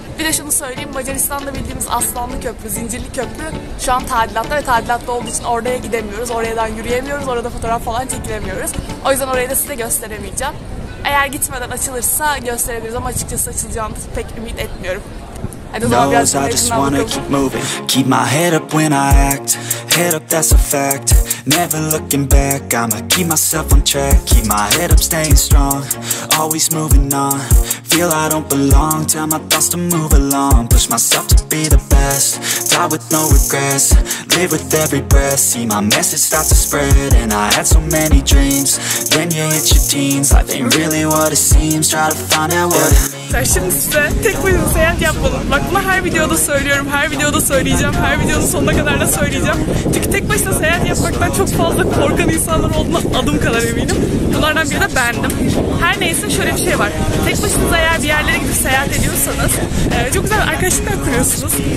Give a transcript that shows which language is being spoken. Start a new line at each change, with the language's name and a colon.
Turkish: Bir de şunu söyleyeyim, Macaristan'da bildiğimiz Aslanlı Köprü, Zincirli Köprü şu an tadilatta ve tadilatta olduğu için oraya gidemiyoruz. Oradan yürüyemiyoruz, orada fotoğraf falan çekilemiyoruz. O yüzden orayı da size gösteremeyeceğim. Eğer gitmeden açılırsa gösterebiliriz ama açıkçası açılacağını pek ümit etmiyorum.
English: Knows I just wanna keep moving, keep my head up when I act, head up that's a fact, Never looking back, I'ma keep myself on track. Keep my head up, staying strong, always moving on. Feel I don't belong, tell my thoughts to move along. Push myself to be the best, die with no regrets. Live with every breath, see my message start to spread. And I had so many dreams, then you hit your teens. Life ain't really what it seems, try to find out what it means.
Turkish: Ya şimdi size tek başına seyahat yapmadım. Bak bunu her videoda söylüyorum, her videoda söyleyeceğim, her videonun sonuna kadar da söyleyeceğim. Çünkü tek başına seyahat yapmaktan çok fazla korkan insanlar olduğuna adım kadar eminim. Bunlardan biri de bendim. Her neyse şöyle bir şey var. Tek başınıza eğer bir yerlere gidip seyahat ediyorsanız çok güzel arkadaşlıklar kuruyorsunuz.